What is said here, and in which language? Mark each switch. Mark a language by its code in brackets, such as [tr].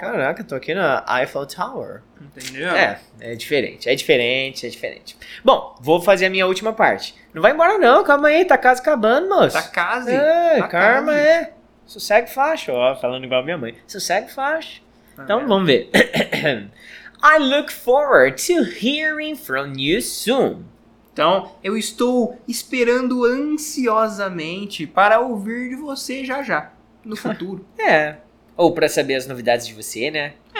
[pt] Caraca, tô aqui na Eiffel Tower. Entendeu? É diferente. Bom, vou fazer a minha última parte. Não vai embora não, calma aí, tá quase acabando, moço. Tá quase. Calma. Sossegue faixa, ó, falando igual a minha mãe. Sossegue faixa. Então, vamos ver. [en] I look forward to hearing from you soon. [pt] Então, eu estou esperando ansiosamente para ouvir de você já, no futuro. Ou para saber as novidades de você, né?